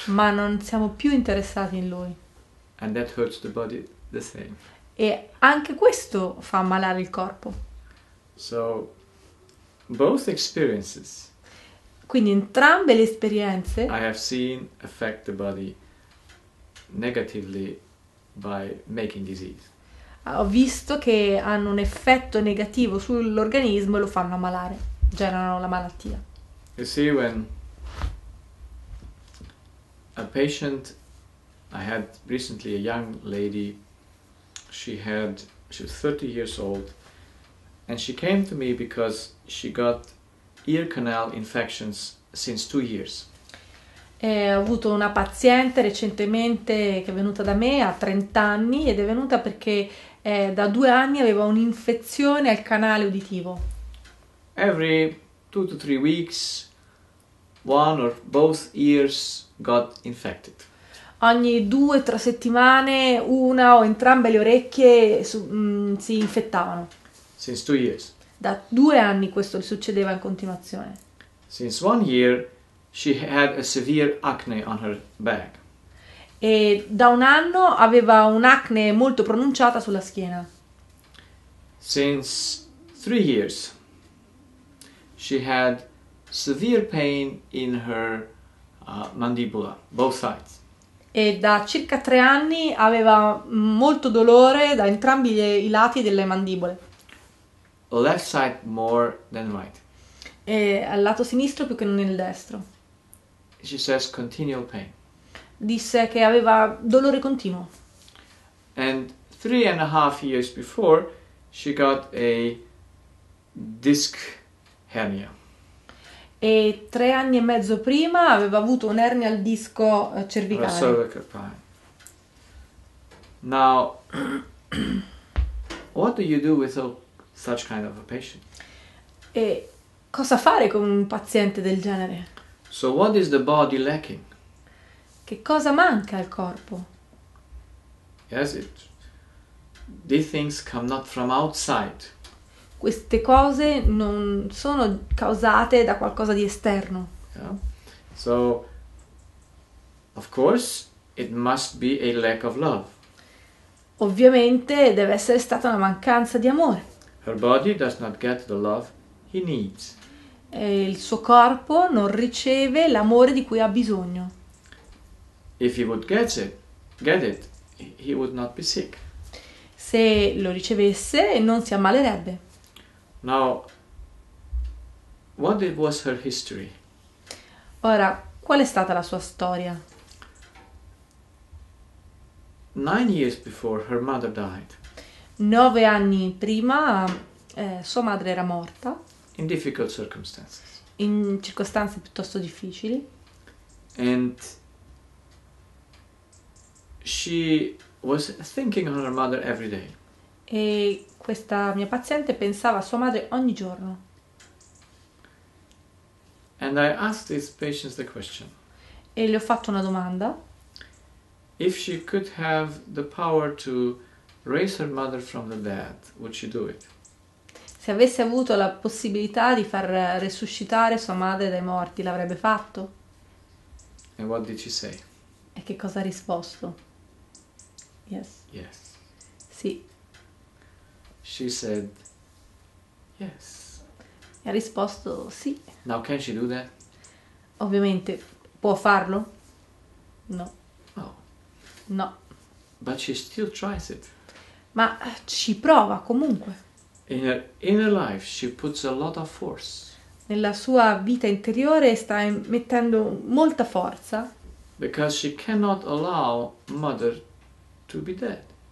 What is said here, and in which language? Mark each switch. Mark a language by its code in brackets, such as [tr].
[it] ma non siamo più interessati in lui. E [en] And that hurts the body the same. [it] anche questo fa ammalare il corpo. [en] So, both experiences [it] Quindi entrambe le [en] I [it] esperienze [en] have seen affect the body negatively by making disease. [it] ho visto che hanno un effetto negativo sull'organismo e lo fanno ammalare, generano la malattia. [en] You see, when a patient, I had recently a young lady, she was 30 years old, and she came to me because she got ear canal infections since 2 years. [it] Ho avuto una paziente recentemente che è venuta da me, ha 30 anni, ed è venuta perché da 2 anni aveva un'infezione al canale uditivo. [en] Every 2 to 3 weeks, one or both ears got infected. [it] Ogni 2 o 3 settimane una o entrambe le orecchie si infettavano. [en] Since 2 years. [it] Da 2 anni questo succedeva in continuazione. [en] Since 1 year, she had a severe acne on her back. [it] E da 1 anno aveva un'acne molto pronunciata sulla schiena. [en] Since 3 years. She had severe pain in her mandibola, both sides. [it] e da circa 3 anni aveva molto dolore da entrambi i lati delle mandibole. [en] Left side more than right. [it] E al lato sinistro più che non nel destro. [en] She says continual pain. [it] Disse che aveva dolore continuo. [en] And 3.5 years before, she got a disc hernia. [it] E 3 anni e mezzo prima aveva avuto un'ernia al disco cervicale. [en] Cervical spine. Now, what do you do with such kind of a patient? [it] E cosa fare con un paziente del genere? [en] So what is the body lacking? [it] Che cosa manca al corpo? [en] Yes, these things come not from outside. [it] Queste cose non sono causate da qualcosa di esterno. [en] So, of course, it must be a lack of love. [it] Ovviamente deve essere stata una mancanza di amore. [en] Her body does not get the love he needs. [it] Il suo corpo non riceve l'amore di cui ha bisogno. [en] If he would get it, he would not be sick. [it] Se lo ricevesse, non si ammalerebbe. [en] Now, what was her history? [it] Ora, qual è stata la sua storia? [en] 9 years before her mother died. [it] 9 anni prima, sua madre era morta [en] In difficult circumstances. [it] in circostanze piuttosto difficili. [en] And she was thinking on her mother every day. [it] E questa mia paziente pensava a sua madre ogni giorno. [en] And I asked these patients the question. [it] E le ho fatto una domanda. [en] If she could have the power to raise her mother from the dead, would she do it? [it] Se avesse avuto la possibilità di far resuscitare sua madre dai morti, l'avrebbe fatto? [en] And what did she say? [it] E che cosa ha risposto? [en] Yes. Yes. [it] Sì. E [en] She said yes. [it] ha risposto sì. [en] Now can she do that? [it] Ovviamente. Può farlo? No. No. [en] But she still tries it. [it] Ma ci prova comunque. [en] In her life she puts a lot of force. [it] Nella sua vita interiore sta mettendo molta forza perché [en] Because she cannot allow mother to be dead.